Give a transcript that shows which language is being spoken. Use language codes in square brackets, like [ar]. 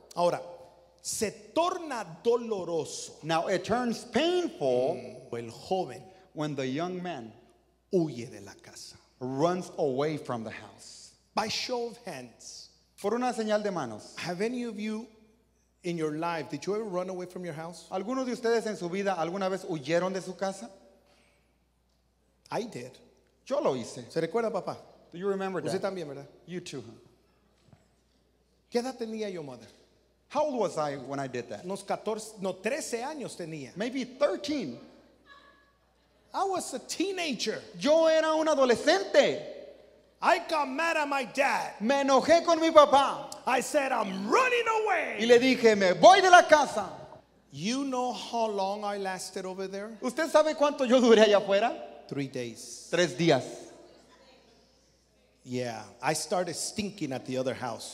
[es] Ahora, se torna doloroso. [en] Now it turns painful. [es] El joven. [en] When the young man. [es] Huye de la casa. [en] Runs away from the house. By show of hands. [es] Por una señal de manos. [en] Have any of you. In your life, did you ever run away from your house? [es] ¿Alguno de ustedes en su vida alguna vez huyeron de su casa? [en] I did. [es] Yo lo hice. ¿Se recuerda, papá? [en] Do you remember [es] usted [en] that? [es] Usted también, ¿verdad? [en] You too. Huh? [es] ¿Qué edad tenía yo, [en] mother? How old was I when I did that? [es] Unos 14, no, 13 años tenía. [en] Maybe 13. I was a teenager. [es] Yo era un adolescente. [en] I got mad at my dad. [es] Me enojé con mi papá. [en] I said, I'm running away. [es] Y le dije, me voy de la casa. [en] You know how long I lasted over there? [es] ¿Usted sabe cuánto yo duré allá afuera? [en] 3 days. [es] 3 días. [en] Yeah, I started stinking at the other house.